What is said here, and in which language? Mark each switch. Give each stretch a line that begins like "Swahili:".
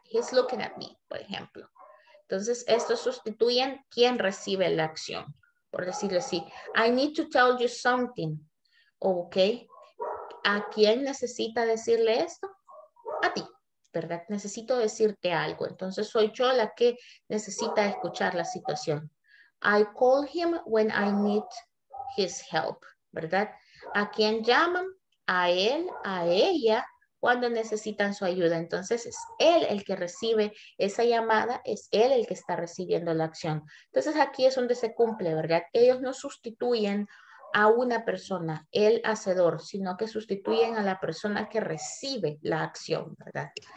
English: He's looking at me,
Spanish: por ejemplo. Entonces, estos sustituyen quién recibe la acción. Por decirlo así,
English: I need to tell you something. Ok.
Spanish: ¿A quién necesita decirle esto? A ti, ¿verdad? Necesito decirte algo. Entonces soy yo la que necesita escuchar la situación.
English: I call him when I need his help, ¿verdad?
Spanish: ¿A quién llaman? A él, a ella, cuando necesitan su ayuda. Entonces es él el que recibe esa llamada, es él el que está recibiendo la acción. Entonces aquí es donde se cumple, ¿verdad? Ellos no sustituyen a una persona, el hacedor, sino que sustituyen a la persona que recibe la acción, ¿verdad?